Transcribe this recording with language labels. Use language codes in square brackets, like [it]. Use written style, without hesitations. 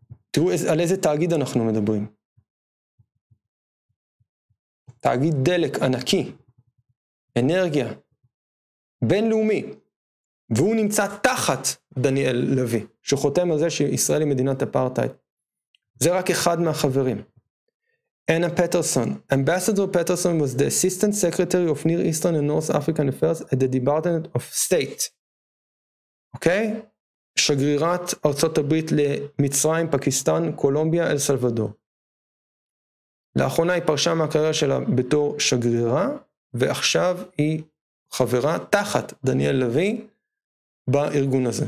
[he] תראו על איזה תאגיד אנחנו מדברים. תאגיד דלק ענקי, אנרגיה, בינלאומי, והוא נמצא תחת דניאל לוי, שחותם על זה שישראל היא מדינת אפרטהייד. זה רק אחד מהחברים. אנה פטרסון. [en] Ambassador Peterson was the Assistant Secretary of Near Eastern and North African Affairs at the Department of State. אוקיי? Okay? [he] שגרירת ארצות הברית למצרים, פקיסטן, קולומביה, אל סלוודור. לאחרונה היא פרשה מהקריירה שלה בתור שגרירה, ועכשיו היא חברה תחת דניאל לוי בארגון הזה.